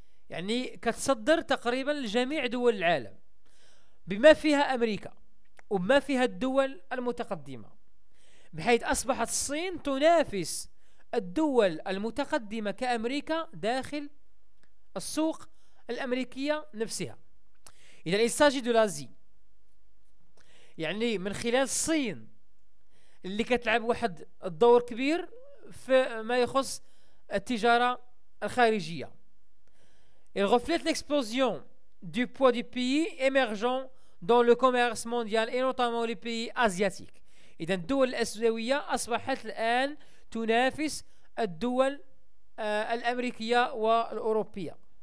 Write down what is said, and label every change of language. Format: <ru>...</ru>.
<ar>يعني كتصدر تقريبا لجميع دول العالم بما فيها امريكا وما فيها الدول المتقدمه، بحيث اصبحت الصين تنافس الدول المتقدمه كامريكا داخل السوق الامريكيه نفسها. اذا الساجي دو لازي، يعني من خلال الصين اللي كتلعب واحد الدور كبير في ما يخص التجاره الخارجيه.</ar> <fr>Il reflète l'explosion du poids des pays émergents dans le commerce mondial et notamment les pays asiatiques.</fr> <ar>إذن الدول الآسيوية أصبحت الآن تنافس الدول الأمريكية والأوروبية.</ar>